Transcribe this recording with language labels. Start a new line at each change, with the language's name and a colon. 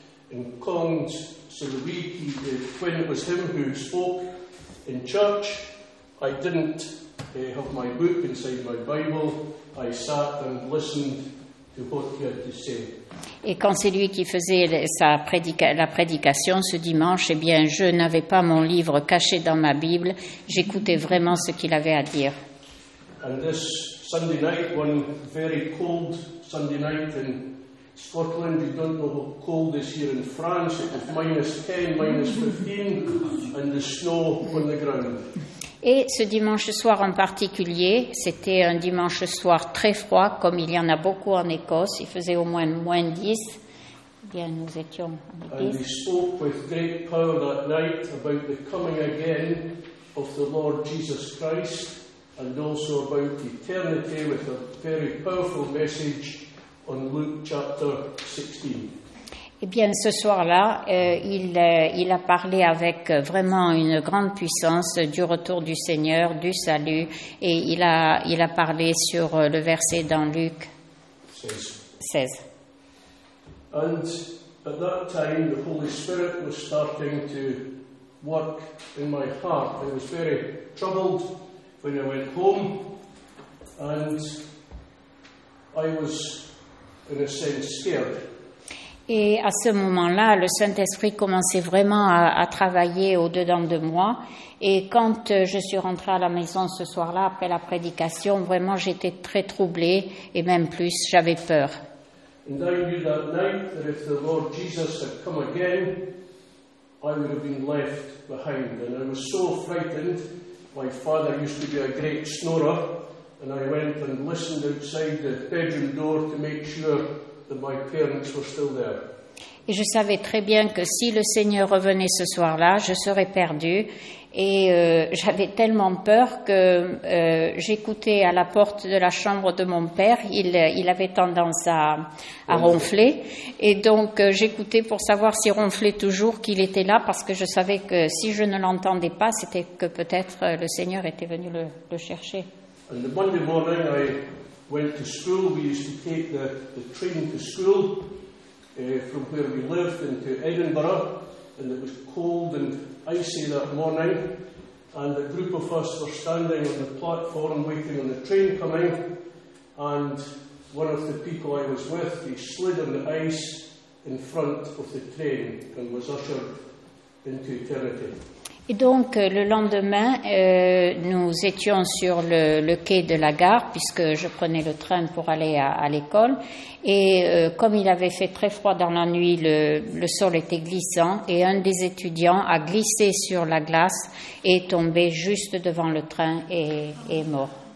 English: In Kong's Sulawiki, when it was him who spoke in church, I didn't have my book inside my Bible. I sat and listened to what he had to say.
French: Et quand c'est lui qui faisait la prédication ce dimanche, eh bien, je n'avais pas mon livre caché dans ma Bible. J'écoutais vraiment ce qu'il avait à dire.
English: And this Sunday night, one very cold Sunday night in Scotland, you don't know how cold it is here in France, it was -10, -15, and the snow on the ground.
French: Et ce dimanche soir en particulier, c'était un dimanche soir très froid, comme il y en a beaucoup en Écosse. Il faisait au moins -10. Bien, nous étions en Écosse.
English: And we spoke with great power that night about the coming again of the Lord Jesus Christ, and also about eternity with a very powerful message on Luke chapter 16.
French: Eh bien, ce soir-là, il a parlé avec vraiment une grande puissance du retour du Seigneur, du salut, et il a parlé sur le verset dans Luc 16.
English: And at that time, the Holy Spirit was starting to work in my heart. I was very troubled when I went home, and I was, in a sense, scared.
French: Et à ce moment-là, le Saint-Esprit commençait vraiment à travailler au-dedans de moi. Et quand je suis rentrée à la maison ce soir-là, après la prédication, vraiment j'étais très troublée, et même plus, j'avais peur.
English: And I knew that night that if the Lord Jesus had come again, I would have been left behind. And I was so frightened. My father used to be a great snorer, and I went and listened outside the bedroom door to make sure that my parents were still there.
French: Et je savais très bien que si le Seigneur revenait ce soir-là, je serais perdue. Et j'avais tellement peur que j'écoutais à la porte de la chambre de mon père. Il avait tendance à ronfler. Et donc j'écoutais pour savoir s'il ronflait toujours, qu'il était là, parce que je savais que si je ne l'entendais pas, c'était que peut-être le Seigneur était venu le chercher.
English: And the Monday morning, I went to school. We used to take the train to school from where we lived into Edinburgh, and it was cold and icy that morning, and a group of us were standing on the platform waiting on the train coming, and one of the people I was with, he slid on the ice in front of the train and was ushered into eternity.
French: Et donc, le lendemain, nous étions sur le quai de la gare, puisque je prenais le train pour aller à l'école. Et comme il avait fait très froid dans la nuit, le sol était glissant, et un des étudiants a glissé sur la glace et est tombé juste devant le train et est mort.